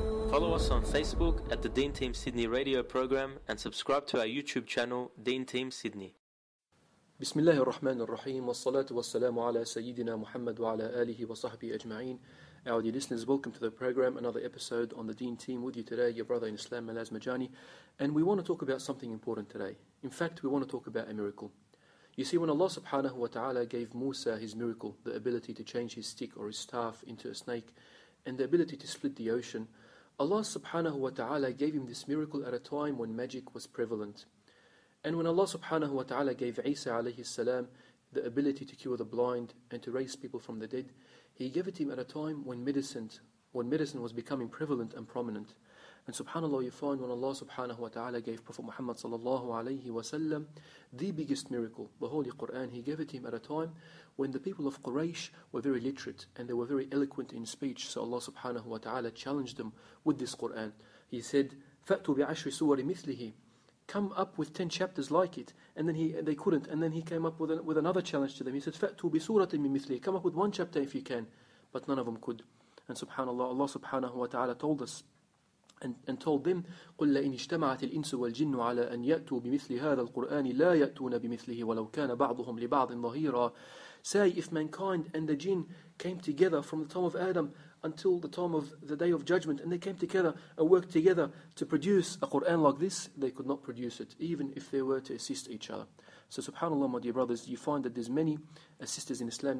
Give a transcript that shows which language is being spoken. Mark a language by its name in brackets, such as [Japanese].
[English] Follow us on Facebook at the Deen Team Sydney radio program and subscribe to our YouTube channel, Deen Team Sydney. [Arabic] بسم الله الرحمن الرحيم والصلاة والسلام على سيدنا محمد وعلى آله وصحبه أجمعين. [English] Our dear listeners, welcome to the program, another episode on the Deen Team with you today, your brother in Islam, Malaz Majani. And we want to talk about something important today. In fact, we want to talk about a miracle. You see, when Allah subhanahu wa ta'ala gave Musa his miracle, the ability to change his stick or his staff into a snake, and the ability to split the ocean, Allah subhanahu wa ta'ala gave him this miracle at a time when magic was prevalent. And when Allah subhanahu wa ta'ala gave Isa alayhi salam the ability to cure the blind and to raise people from the dead, He gave it to him at a time when medicine was becoming prevalent and prominent. And subhanAllah, you find when Allah subhanahu wa ta'ala gave Prophet Muhammad sallallahu alayhi wa sallam the biggest miracle, the Holy Qur'an, He gave it to him at a time when the people of Quraysh were very literate and they were very eloquent in speech. So Allah subhanahu wa ta'ala challenged them with this Qur'an. He said, [Arabic] فَأْتُوا بِعَشْرِ سُوَرِ مِثْلِهِ. [English] Come up with 10 chapters like it. And then they couldn't. And then he came up with another challenge to them. He said, [Arabic] فَأْتُوا بِسُورَةٍ مِنْ مِثْلِهِ. [English] Come up with one chapter if you can. But none of them could. And subhanAllah, Allah subhanahu wa ta'ala told us and told them, [Arabic] قُلْ لَإِنِ اجْتَمَعَتِ الْإِنسُ وَالْجِنُّ عَلَىٰ أَنْ يَأْتُوا بِمِثْلِ هَذَا الْقُرْآنِ لَا يَأْتُونَ بِمِثْلِهِ وَلَوْ كَانَ بَعْضُهُمْ لِبَعْضٍ ظَهِيرًا. [English] Say, if mankind and the jinn came together from the time of Adam until the time of the day of judgment, and they came together and worked together to produce a Qur'an like this, they could not produce it, even if they were to assist each other. So subhanAllah, my dear brothers, you find that there's many sisters in Islam.